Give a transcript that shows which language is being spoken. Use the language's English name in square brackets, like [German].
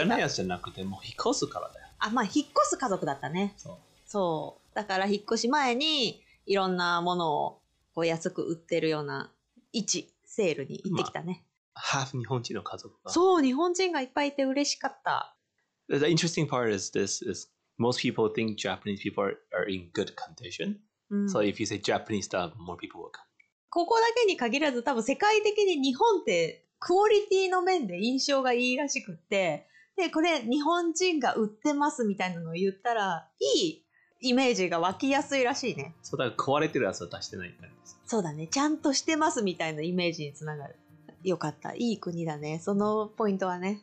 [Japanese] いらないやつじゃなくて、もう引っ越すからだよ。あ、まあ、引っ越す家族だったね。そう。だから、引っ越し前に、いろんなものを安く売ってるような位置、セールに行ってきたね。まあ、ハーフ日本人の家族が。そう、日本人がいっぱいいて嬉しかった。 [English] The interesting part is this is... Most people think Japanese people are in good condition.、So if you say Japanese stuff, more people will come. [Japanese] ここだけに限らず、多分世界的に日本ってクオリティの面で印象がいいらしくって、で、これ日本人が売ってますみたいなのを言ったら、いいイメージが湧きやすいらしいね。そうだ、壊れてるやつは出してないみたいです。そうだね、ちゃんとしてますみたいなイメージにつながる。よかった、いい国だね、そのポイントはね。